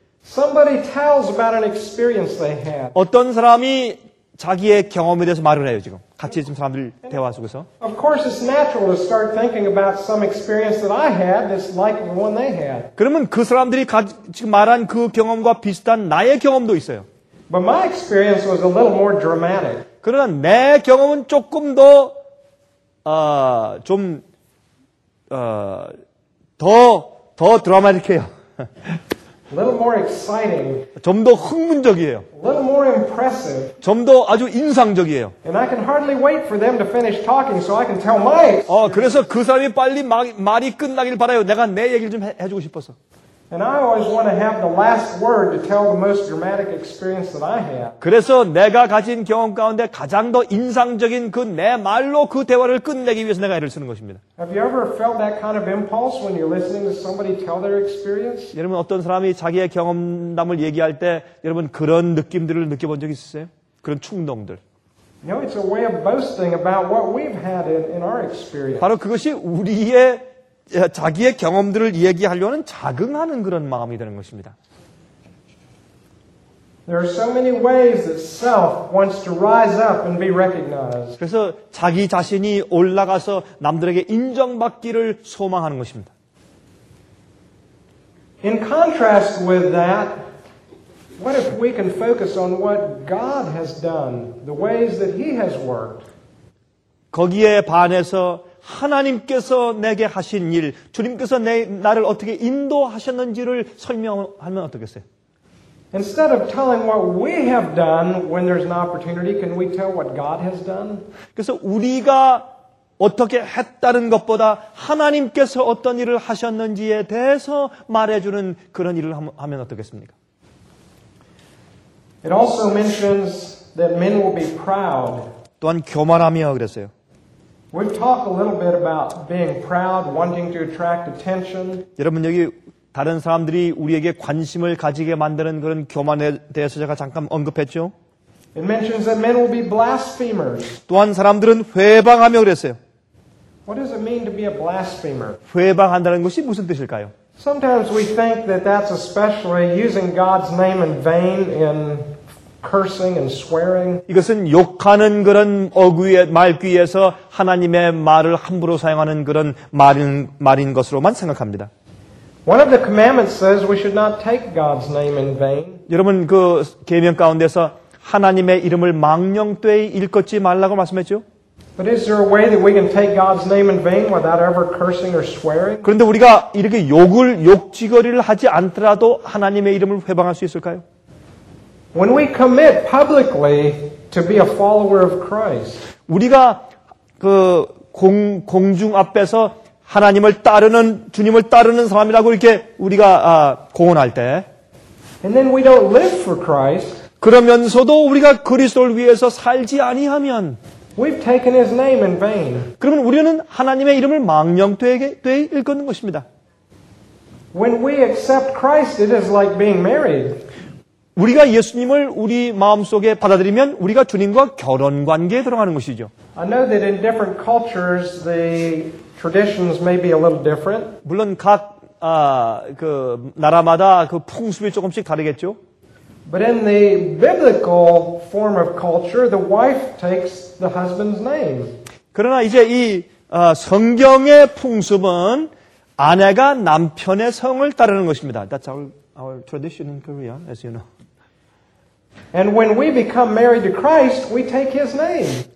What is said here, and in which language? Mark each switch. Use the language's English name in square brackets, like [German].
[English] Somebody tells about an experience they had. [Korean] 어떤 사람이 자기의 경험에 대해서 말을 해요 지금 같이 지금 사람들 대화 속에서. [English] Of course, it's natural to start thinking about some experience that I had that's like the one they had. [Korean] 그러면 그 사람들이 지금 말한 그 경험과 비슷한 나의 경험도 있어요. [English] But my experience was a little more dramatic. [Korean] 그러나 내 경험은 조금 더 좀 더 드라마틱해요. [English] A little more exciting. [Korean] 좀 더 흥분적이에요. [English] A little more impressive. [Korean] 좀 더 아주 인상적이에요. [English] And I can hardly wait for them to finish talking so I can tell my experience. [Korean] 그래서 그 사람이 빨리 말이 끝나길 바라요. 내가 내 얘기를 좀 해주고 싶어서. [English] And I always want to have the last word to tell the most dramatic experience that I have. [Korean] 그래서 내가 가진 경험 가운데 가장 더 인상적인 그 내 말로 그 대화를 끝내기 위해서 내가 애를 쓰는 것입니다. [English] Have you ever felt that kind of impulse when you're listening to somebody tell their experience? [Korean] 여러분 어떤 사람이 자기의 경험담을 얘기할 때 여러분 그런 느낌들을 느껴본 적 있으세요? 그런 충동들. [English] You know, it's a way of boasting about what we've had in our experience. [Korean] 바로 그것이 우리의 자기의 경험들을 얘기하려는 자긍하는 그런 마음이 되는 것입니다. [English] There are so many ways that self wants to rise up and be recognized. [Korean] 그래서 자기 자신이 올라가서 남들에게 인정받기를 소망하는 것입니다. [English] In contrast with that, what if we can focus on what God has done, the ways that He has worked? [Korean] 거기에 반해서 하나님께서 내게 하신 일, 주님께서 나를 어떻게 인도하셨는지를 설명하면 어떻겠어요? [English] Instead of telling what we have done when there's an opportunity, can we tell what God has done? [Korean] 그래서 우리가 어떻게 했다는 것보다 하나님께서 어떤 일을 하셨는지에 대해서 말해주는 그런 일을 하면 어떻겠습니까? [English] It also mentions that men will be proud. [Korean] 또한 교만하며 그랬어요. [English] We've talked a little bit about being proud, wanting to attract attention. [Korean] 여러분 여기 다른 사람들이 우리에게 관심을 가지게 만드는 그런 교만에 대해서 제가 잠깐 언급했죠. [English] It mentions that men will be blasphemers. [Korean] 또한 사람들은 회방하며 그랬어요. [English] What does it mean to be a blasphemer? [Korean] 회방한다는 것이 무슨 뜻일까요? [English] Sometimes we think that that's especially using God's name in vain in cursing and swearing. [Korean] 이것은 욕하는 그런 어귀의 말귀에서 하나님의 말을 함부로 사용하는 그런 말인 것으로만 생각합니다. [English] One of the commandments says we should not take God's name in vain. [Korean] 여러분 그 계명 가운데서 하나님의 이름을 망령되이 일컫지 말라고 말씀했죠. [English] But is there a way that we can take God's name in vain without ever cursing or swearing? [Korean] 그런데 우리가 이렇게 욕지거리를 하지 않더라도 하나님의 이름을 회방할 수 있을까요? [English] When we commit publicly to be a follower of Christ, [Korean] 우리가 그 공중 앞에서 하나님을 따르는 주님을 따르는 사람이라고 이렇게 우리가 공언할 때, [English] And then we don't live for Christ. [Korean] 그러면서도 우리가 그리스도를 위해서 살지 아니하면 [English] We've taken his name in vain. [Korean] 그러면 우리는 하나님의 이름을 망령되게 일컫는 것입니다. [English] When we accept Christ, it is like being married. [Korean] 우리가 예수님을 우리 마음속에 받아들이면 우리가 주님과 결혼 관계에 들어가는 것이죠. [English] I know that in different cultures the traditions may be a little different. [Korean] 물론 각 그 나라마다 그 풍습이 조금씩 다르겠죠. [English] But in the biblical form of culture, the wife takes the husband's name. [Korean] 그러나 이제 이 성경의 풍습은 아내가 남편의 성을 따르는 것입니다. [English] That's our tradition in Korea, as you know. And when we become married to Christ, we take his name.